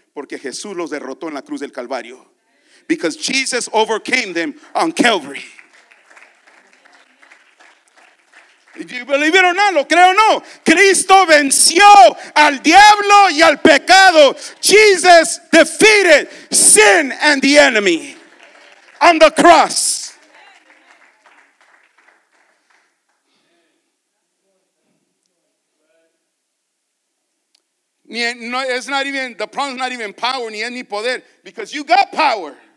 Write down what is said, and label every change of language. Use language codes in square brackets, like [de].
[es] Porque Jesús los derrotó en la cruz del Calvario. [en] Because Jesus overcame them on Calvary. You believe it or not, [es] lo creo o no. Cristo venció al diablo y al pecado. [en] Jesus defeated sin and the enemy on the cross. It's not even, the problem's not even power, [es] ni es ni poder, [en] because you got power.